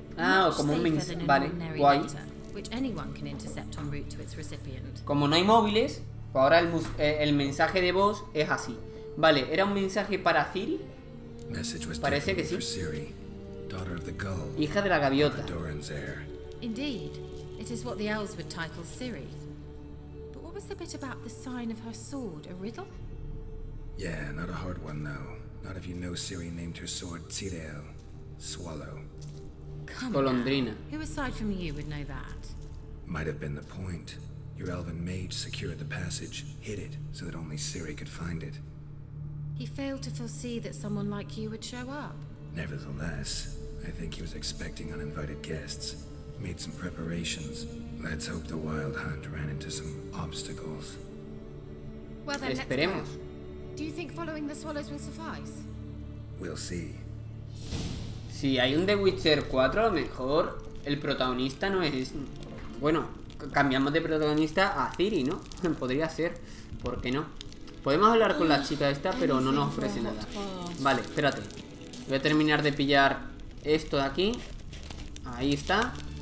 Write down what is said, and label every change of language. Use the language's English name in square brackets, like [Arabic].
[Spanish] Ah, como un mensaje, vale, guay. [English] Which anyone can intercept en route to its recipient. [Spanish] Como no hay móviles, pues ahora el mensaje de voz es así. Vale, era un mensaje para Ciri. Parece que sí. [English] Siri, daughter of the gull, [Spanish] hija de la gaviota. [English] Indeed, it is what the elves would title Ciri. But what was the bit about the sign of her sword? A riddle? Yeah, not a hard one, no. Not if you know Ciri named her sword Tireo, Swallow. [Spanish] Colondrina. [English] Who aside from you would know that? Might have been the point. Your elven mage secured the passage, hid it, so that only Ciri could find it. He failed to foresee that someone like you would show up. Nevertheless, I think he was expecting uninvited guests. Made some preparations. Let's hope the Wild Hunt ran into some obstacles. Well then, [Spanish] esperemos. [English] Let's go. Do you think following the swallows will suffice? We'll see. [Spanish] Si hay un The Witcher 4, a lo mejor el protagonista no es... Bueno, cambiamos de protagonista a Ciri, ¿no? Podría ser, ¿por qué no? Podemos hablar con la chica esta, pero no nos ofrece nada. Vale, espérate. Voy a terminar de pillar esto de aquí. Ahí está.